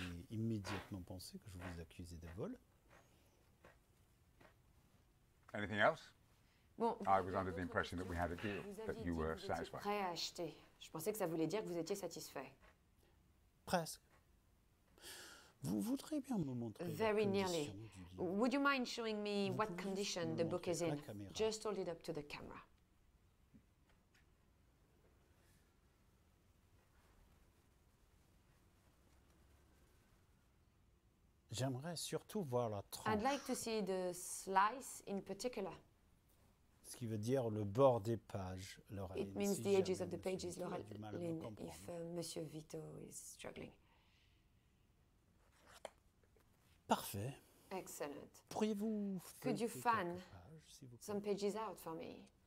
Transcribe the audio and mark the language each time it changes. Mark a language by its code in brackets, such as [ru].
[fr] Immédiatement pensé que je vous accusais de vol. [en] Anything else? [fr] Bon, [en] I was under the impression that we had a deal, that you were satisfied. [fr] Vous aviez dit prêt à acheter. Je pensais que ça voulait dire que vous étiez satisfait. Presque. Vous voudriez bien me montrer [en] very nearly. Would you mind showing me what condition the book is in? Just hold it up to the camera. [fr] J'aimerais surtout voir la tranche. [en] I'd like to see the slice in particular. [fr] Ce qui veut dire le bord des pages, Laureline. [en] It means the edges of the pages, Laureline, if Monsieur Vito is struggling. [fr] Parfait. [en] Excellent. [fr] Pourriez-vous [en] could you fan some pages out for me?